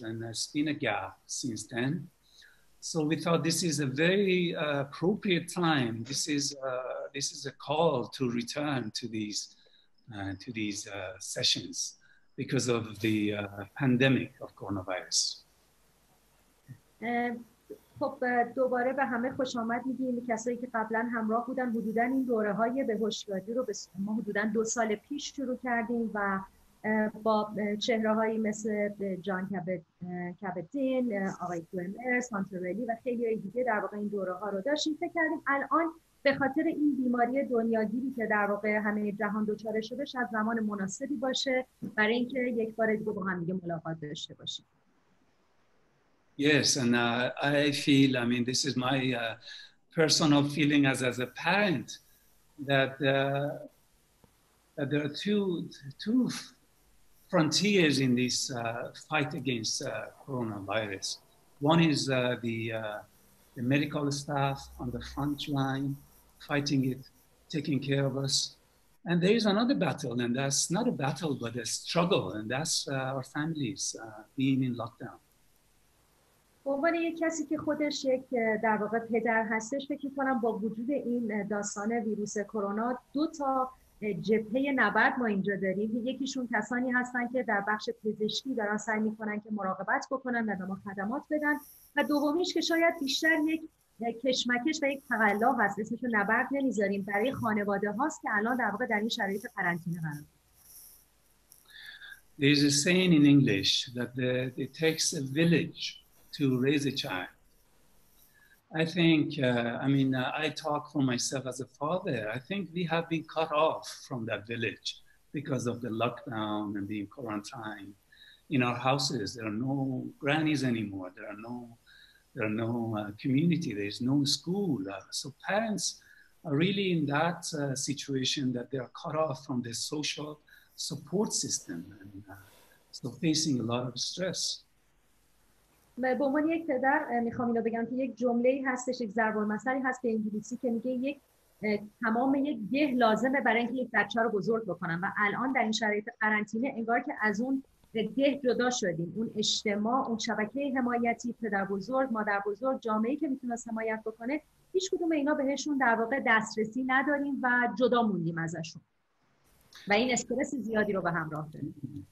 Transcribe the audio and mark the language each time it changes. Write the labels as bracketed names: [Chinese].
[English] And there's been a gap since then. So we thought this is a very appropriate time. This is a call to return to these sessions because of the pandemic of coronavirus. [Persian] خب دوباره به همه خوش آمد میگیم. کسایی که قبلا همراه بودن حدوداً این دوره‌های بهوشیاری رو ما حدوداً 2 سال پیش شروع کردیم و با چهره‌هایی مثل جان کابت-زین، آقای گرمر، سانتورلی و خیلی های دیگه در واقع این دوره‌ها رو داشتیم. فکر کردیم الان به خاطر این بیماری دنیاگیری که در واقع همه جهان دچار شده شاید زمان مناسبی باشه برای اینکه یک بار دیگه با هم دیگه ملاقات داشته باشیم. [English] Yes, and I feel, I mean, this is my personal feeling as a parent, that there are two frontiers in this fight against coronavirus. One is the medical staff on the front line, fighting it, taking care of us. And there is another battle, and that's not a battle, but a struggle, and that's our families being in lockdown. [Persian] به عنوان یک کسی که خودش یک در واقع پدر هستش فکر می‌کنم با وجود این داستان ویروس کرونا دو تا جبهه نبرد ما اینجا داریم. یکیشون کسانی هستن که در بخش پزشکی دارن سعی می‌کنن که مراقبت بکنن و به ما خدمات بدن و دومیش که شاید بیشتر یک کشمکش و یک تقلا هست، اسمش رو نبرد نمیذاریم، برای خانواده هاست که الان در واقع در این شرایط قرنطینه قرار دارن. [English] There is a saying in English that it takes a village to raise a child. I think, I talk for myself as a father, I think we have been cut off from that village because of the lockdown and the quarantine in our houses. There are no grannies anymore. There are no community. There is no school. So parents are really in that situation that they are cut off from the social support system. And so facing a lot of stress. [Persian] به عنوان یک پدر میخوام اینو بگم که یک جمله هستش، یک ضرب المثلی هست به انگلیسی که میگه تمام یک گه لازمه برای اینکه یک بچه رو بزرگ بکنن، و الان در این شرایط قرنطینه انگار که از اون گه جدا شدیم، اون اجتماع، اون شبکه حمایتی، پدر بزرگ، مادر بزرگ، جامعه‌ای که میتونست حمایت بکنه، هیچ کدوم اینا بهشون در واقع دسترسی نداریم و جدا موندیم ازشون و این استرس زیادی رو به همراه داریم.